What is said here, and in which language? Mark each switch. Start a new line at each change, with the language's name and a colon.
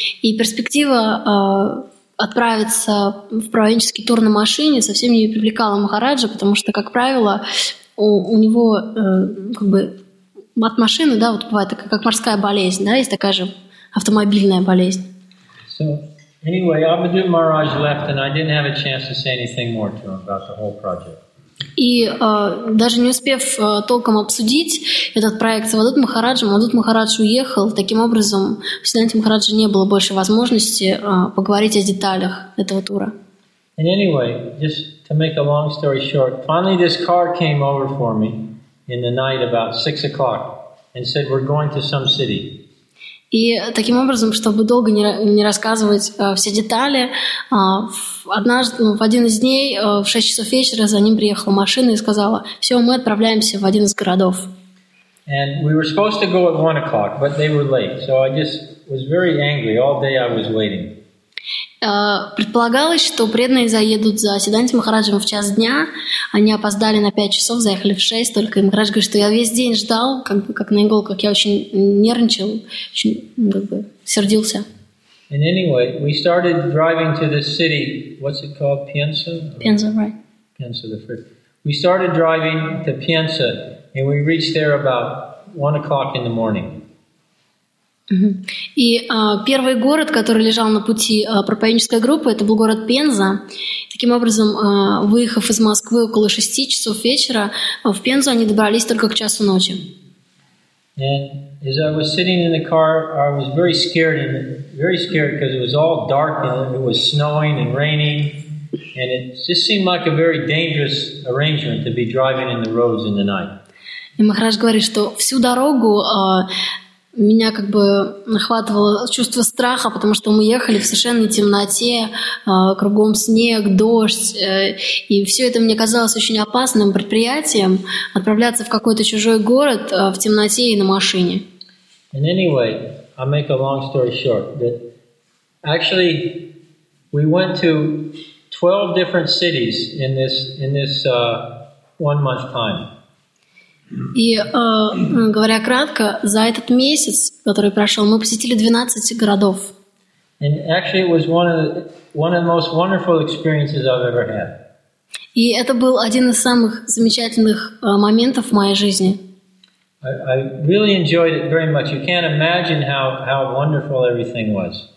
Russian: И перспектива отправиться в провинческий тур на машине совсем не привлекала Махараджа, потому что, как правило, у него как бы от машины, да, вот бывает такая, как морская болезнь, да, есть такая же автомобильная болезнь.
English: So, anyway, Avadhoot Maharaj left, and I didn't have a chance to say anything more to him about the whole project.
Russian: И даже не успев толком обсудить этот проект с Авадут Махараджем, Авадут Махарадж уехал. Таким образом, у Сиддханта Махараджа не было больше возможности поговорить о деталях этого тура.
English: And anyway, just to make a long story short, finally this car came over for me in the night about 6 o'clock and said, "We're going to some city."
Russian: И таким образом, чтобы долго не рассказывать все детали, однажды, в один из дней, в 6 часов вечера, за ним приехала машина и сказала: «Все, мы отправляемся в один из городов».
English: And we were supposed to go at 1 o'clock, but they were late. So I just was very angry all day. I was waiting.
Russian: Предполагалось, что преданные заедут за Сиддханти Махараджем в час дня. Они опоздали на 5 часов, заехали в 6. Только Махарадж говорит, что я весь день ждал, как на иголках. Я очень нервничал, очень сердился.
English: And anyway, we started driving to the city. What's it called? Pienza? Pienza, right? Pienza, the first. We started driving to Pienza. And we reached there about 1 o'clock in the morning. Mm-hmm.
Russian: И первый город, который лежал на пути проповеднической группы, это был город Пенза. Таким образом, выехав из Москвы около 6 часов вечера, в Пензу они добрались только к часу ночи.
English: And as I was sitting in the car, I was very scared because it was all dark and it was snowing and raining. And it just seemed like a very dangerous arrangement to be driving in the roads in the night.
Russian: И Махарадж говорит, что всю дорогу меня нахватывало чувство страха, потому что мы ехали в совершенной темноте, кругом снег, дождь, и все это мне казалось очень опасным предприятием — отправляться в какой-то чужой город в темноте и на машине.
English: And anyway, I'll make a long story short, that actually we went to 12 different cities in this 1 month time.
Russian: И, говоря кратко, за этот месяц, который прошел, мы посетили 12 городов.
English: And actually it was one of the most wonderful experiences I've ever had.
Russian: И это был один из самых замечательных моментов в моей жизни.
English: I really enjoyed it very much. You can't imagine how wonderful everything was.